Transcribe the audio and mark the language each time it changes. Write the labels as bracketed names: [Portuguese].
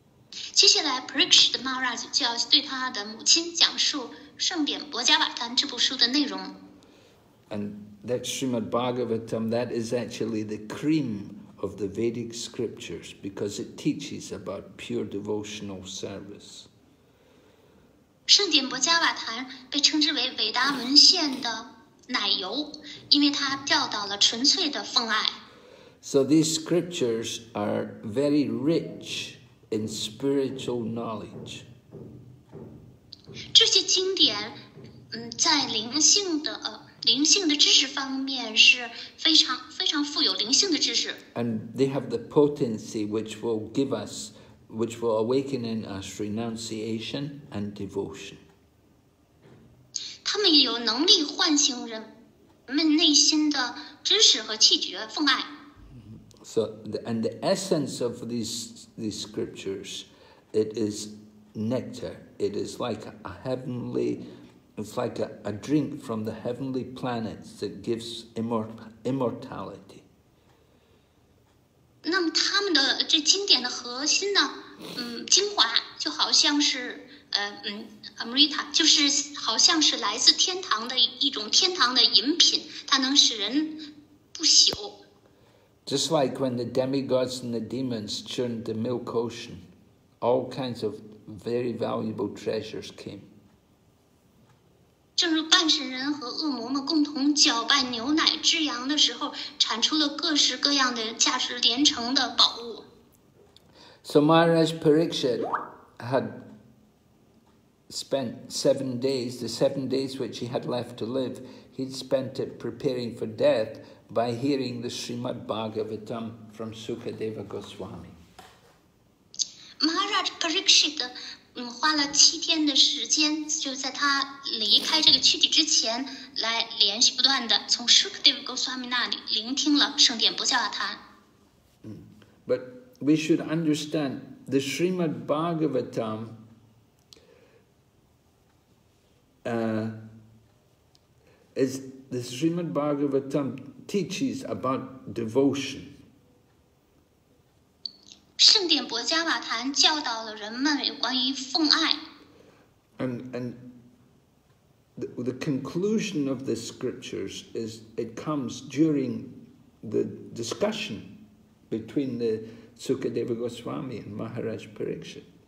[Chinese] 接下来 Parikshit Maharaj 就要对他的母亲讲述圣典薄伽瓦坛这部书的内容。 [English] And that Srimad Bhagavatam, that is actually the cream of the Vedic scriptures because it teaches about pure devotional service. [Chinese] 圣典薄伽瓦坛被称之为伟达文献的奶油，因为它教导了纯粹的奉爱。 [English] So these scriptures are very rich in spiritual knowledge. [Chinese] 这些经典在灵性的知识方面是非常非常富有灵性的知识。 [English] And they have the potency which will awaken in us renunciation and devotion. [Chinese] 他们有能力唤醒人们内心的知识和气绝奉爱。 [English] So, and the essence of these scriptures, it is nectar. It is like a heavenly, it's like a drink from the heavenly planets that gives immortality. [Chinese] 那么他们的这经典的核心呢，精华就好像是Amrita, 就是好像是来自天堂的一种天堂的饮品，它能使人不朽。 [English] Just like when the demigods and the demons churned the milk ocean, all kinds of. Very valuable treasures came. [Chinese] 正如半神人和恶魔们共同搅拌牛奶制羊的时候，产出了各式各样的价值连城的宝物。 [English] So Maharaj Parikshit had spent 7 days, the 7 days which he had left to live, he'd spent it preparing for death by hearing the Srimad Bhagavatam from Sukadeva Goswami. [Chinese] Maharaj Parikshit 花了七天的时间，就在他离开这个躯体之前，来连续不断的从 Sukadeva Goswami 那里聆听了圣典薄伽瓦坛。 [English] But we should understand the Srimad Bhagavatam. Is the Srimad Bhagavatam teaches about devotion. [Chinese] 圣典薄伽瓦坛教导了人们有关于奉爱。 [English] And the conclusion of the scriptures is it comes during the discussion between the Sukadeva Goswami and Maharaj Parikshit.